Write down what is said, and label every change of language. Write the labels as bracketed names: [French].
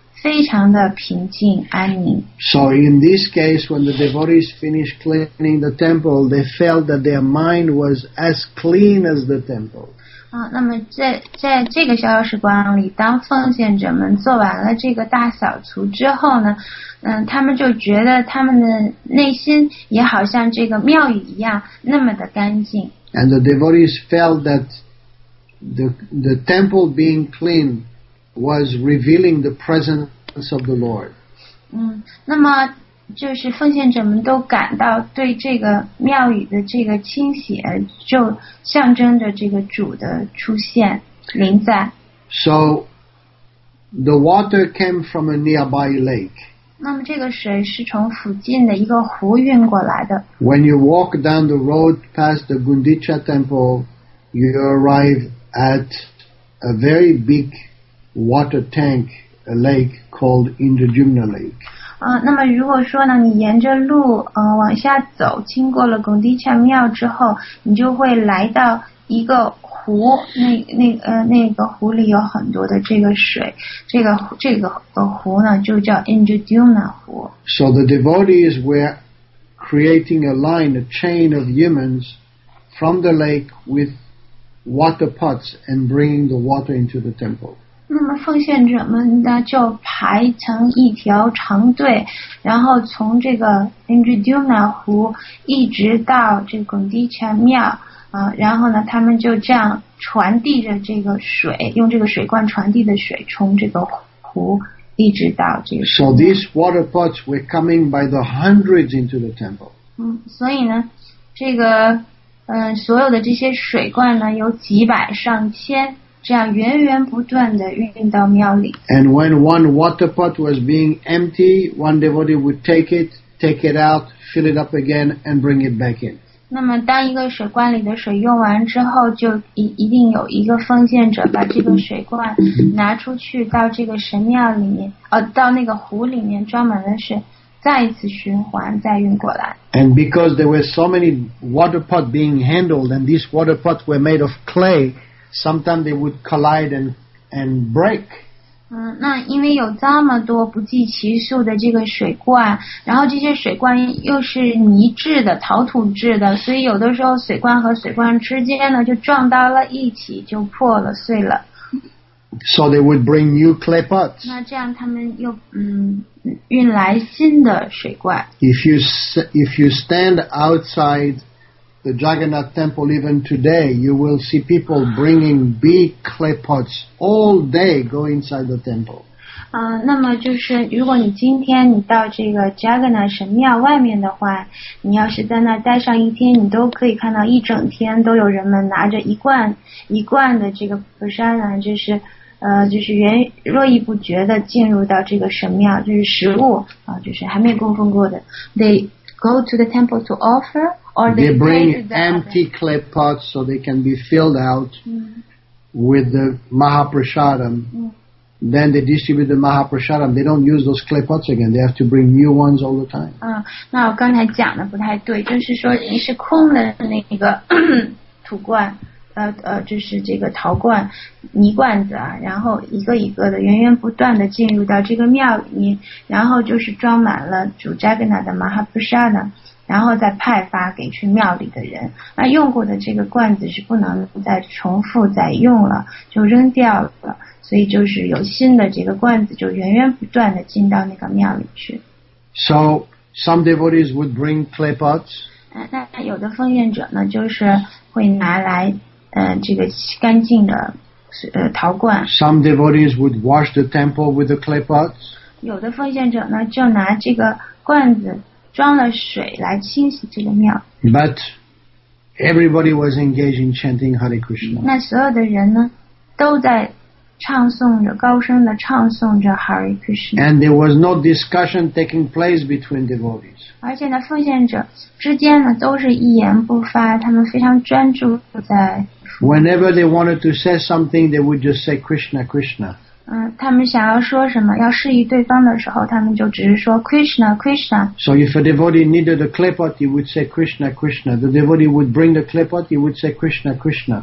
[Chinese] 非常的平静安宁。 [English] So in this case, when the devotees finished cleaning the temple, they felt that their mind was as clean as the temple. [Chinese] 那么在这个逍遥时光里，当奉献者们做完了这个大扫除之后呢，他们就觉得他们的内心也好像这个庙宇一样那么的干净。 [English] And the devotees felt that the temple being clean. Was revealing the presence of the Lord. [Chinese] 那么就是奉献者们都感到对这个庙宇的这个清洗，就象征着这个主的出现临在。 [English] So the water came from a nearby lake. [Chinese] 那么这个水是从附近的一个湖运过来的。 [English] When you walk down the road past the Gundicha Temple, you arrive at a very big. Water tank, a lake called Indrajumna Lake. [Chinese] 那么如果说呢，你沿着路往下走，经过了Gundicha庙之后，你就会来到一个湖，那个湖里有很多的这个水，这个湖呢就叫Indrajumna湖。 [English] So the devotees were creating a line, a chain of humans from the lake with water pots and bringing the water into the temple. [Chinese] 那么奉献者们呢就排成一条长队，然后从这个 Indrajumna 湖一直到这个Gundicha庙，然后呢他们就这样传递着这个水，用这个水罐传递的水从这个湖一直到这个。 [English] So these water pots were coming by the hundreds into the temple. [Chinese] 所以呢这个所有的这些水罐呢有几百上千。这样源源不断地运到庙里。 [English] And when one water pot was being empty, one devotee would take it out, fill it up again, and bring it back in. [Chinese] 那么当一个水罐里的水用完之后，就一定有一个奉献者把这个水罐拿出去，到这个神庙里面，到那个湖里面装满了水，再一次循环再运过来。 [English] And because there were so many water pots being handled, and these water pots were made of clay, sometimes they would collide and break. [Chinese] 那因为有这么多不计其数的这个水罐，然后这些水罐又是泥制的、陶土制的，所以有的时候水罐和水罐之间呢就撞到了一起，就破了、碎了。 [English] So they would bring new clay pots. [Chinese] 那这样他们又运来新的水罐。 [English] If you stand outside the Jagannath temple even today, you will see people bringing big clay pots all day go inside the temple. [Chinese] 那么就是如果你今天你到这个 Jagannath 神庙外面的话，你要是在那待上一天，你都可以看到一整天都有人们拿着一罐的这个 prasada， 就是。就是源络绎不绝的进入到这个神庙，就是食物啊，就是还没供奉过的。 [English] They go to the temple to offer, or they bring empty clay pots so they can be filled out with the mahaprasadam. Then they distribute the mahaprasadam. They don't use those clay pots again. They have to bring new ones all the time. [Chinese] 那我刚才讲的不太对，就是说你是空的那个土罐。就是这个陶罐泥罐子啊，然后一个一个的源源不断的进入到这个庙里面，然后就是装满了主 Jagannath 的 Mahaprasada， 然后再派发给去庙里的人。那用过的这个罐子是不能再重复再用了，就扔掉了，所以就是有新的这个罐子就源源不断的进到那个庙里去。 [English] So some devotees would bring clay pots. [Chinese] 那有的奉献者呢就是会拿来这个干净的陶罐。 [English] Some devotees would wash the temple with the clay pots. [Chinese] 有的奉献者呢就拿这个罐子装了水来清洗这个庙。 [English] But everybody was engaged in chanting Hare Krishna. [Chinese] 那所有的人呢都在唱诵着，高声的唱诵着 Hare Krishna. [English] And there was no discussion taking place between devotees. [Chinese] 而且呢，奉献者之间呢都是一言不发，他们非常专注在。 [English] Whenever they wanted to say something, they would just say Krishna, Krishna. [Chinese] 他们想要说什么，要示意对方的时候，他们就只是说 Krishna, Krishna. [English] So if a devotee needed a clay pot, he would say Krishna, Krishna. The devotee would bring the clay pot, he would say Krishna, Krishna.